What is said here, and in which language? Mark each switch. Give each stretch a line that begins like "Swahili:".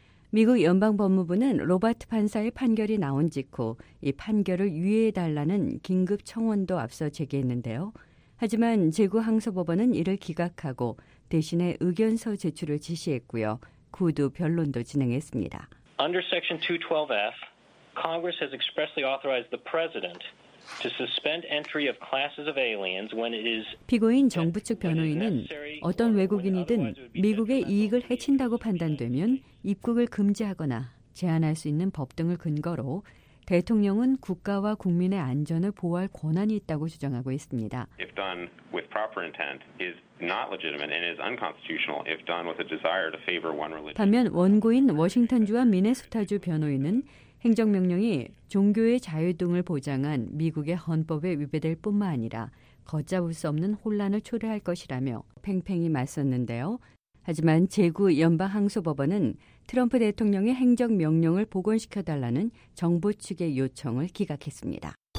Korean: 미국 연방법무부는 로바트 판사의 판결이 나온 직후 이 판결을 유예해달라는 긴급 청원도 앞서 제기했는데요. 하지만 재구 항소법원은 이를 기각하고 대신에 의견서 제출을 지시했고요. 구두 변론도 진행했습니다.
English: Under Section 212F, Congress has expressly authorized the President to suspend entry of classes of aliens when it is
Korean: 피고인 정부 측 변호인은 어떤 외국인이든 미국의 이익을 해친다고 판단되면 입국을 금지하거나 제한할 수 있는 법 등을 근거로 대통령은 국가와 국민의 안전을 보호할 권한이 있다고 주장하고 있습니다.
English: If done with proper intent is not legitimate and is unconstitutional if done with a desire to favor one religion.
Korean: 반면 원고인 워싱턴주와 미네소타주 변호인은 행정명령이 종교의 자유 등을 보장한 미국의 헌법에 위배될 뿐만 아니라 걷잡을 수 없는 혼란을 초래할 것이라며 팽팽히 맞섰는데요. 하지만 제구 연방항소법원은 트럼프 대통령의 행정명령을 복원시켜달라는 정부 측의 요청을 기각했습니다.